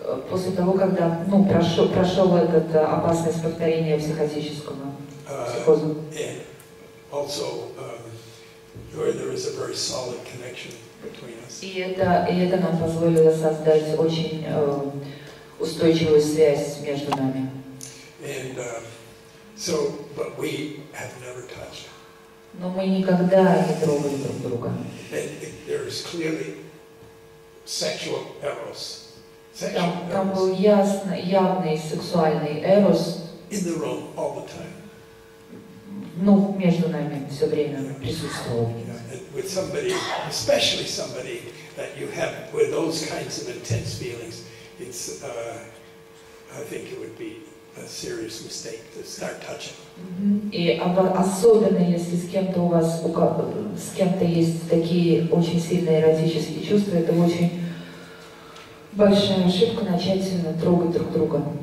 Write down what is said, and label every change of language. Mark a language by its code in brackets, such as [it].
[ru] После того, когда, ну, прошел этот опасность повторения психотического психоза. [en] And also, where there is a very solid connection between us. [ru] И это нам позволило создать очень устойчивую связь между нами. [en] And but we have never touched. [ru] Но мы никогда не трогали друг друга. [en] And there is clearly sexual eros. [ru] Там был явный сексуальный эрос. [en] In the room all the time. [ru] Ну, между нами все время присутствовал. [en] With somebody, especially somebody that you have with those kinds of intense feelings, it's I think it would be a serious mistake to start touching. [ru] И особенно если с кем-то есть такие очень сильные эротические чувства, это очень большая ошибка начать трогать друг друга.